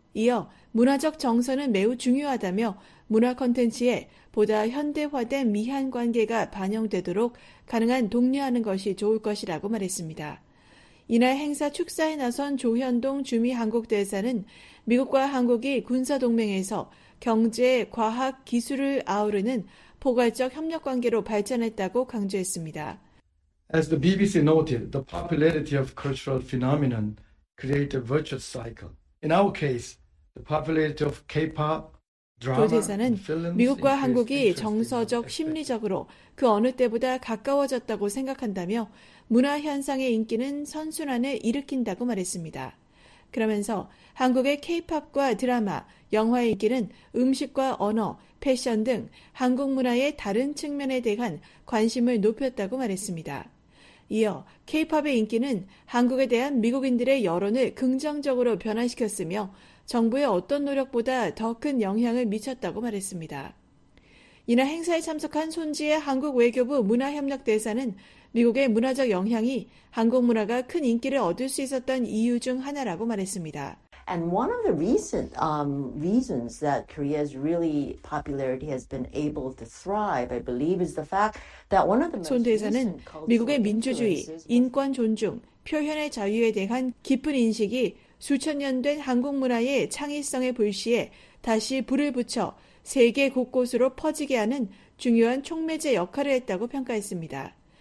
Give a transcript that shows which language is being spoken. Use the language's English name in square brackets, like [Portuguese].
[Korean] 이어 문화적 정서는 매우 중요하다며 문화 콘텐츠에 보다 현대화된 미한 관계가 반영되도록 가능한 독려하는 것이 좋을 것이라고 말했습니다. 이날 행사 축사에 나선 조현동 주미 한국 대사는 미국과 한국이 군사 동맹에서 경제, 과학, 기술을 아우르는 포괄적 협력 관계로 발전했다고 강조했습니다. [English] As the BBC noted, the popularity of cultural phenomenon creates a virtuous cycle. In our case, the popularity of K-pop [Korean] 도대사는 미국과 한국이 정서적, 심리적으로 그 어느 때보다 가까워졌다고 생각한다며 문화 현상의 인기는 선순환을 일으킨다고 말했습니다. 그러면서 한국의 K-POP과 드라마, 영화의 인기는 음식과 언어, 패션 등 한국 문화의 다른 측면에 대한 관심을 높였다고 말했습니다. 이어 K-POP의 인기는 한국에 대한 미국인들의 여론을 긍정적으로 변화시켰으며 정부의 어떤 노력보다 더 큰 영향을 미쳤다고 말했습니다. 이날 행사에 참석한 손지혜 한국 외교부 문화협력대사는 미국의 문화적 영향이 한국 문화가 큰 인기를 얻을 수 있었던 이유 중 하나라고 말했습니다. [English] And one of the recent reasons that Korea's really popularity has been able to thrive, I believe, is the fact that one of the most [Korean] 손 대사는 미국의 민주주의, 인권 존중, 표현의 자유에 대한 깊은 인식이 수천 년 된 한국 문화의 창의성의 불씨에 다시 불을 붙여 세계 곳곳으로 퍼지게 하는 중요한 촉매제 역할을 했다고 평가했습니다.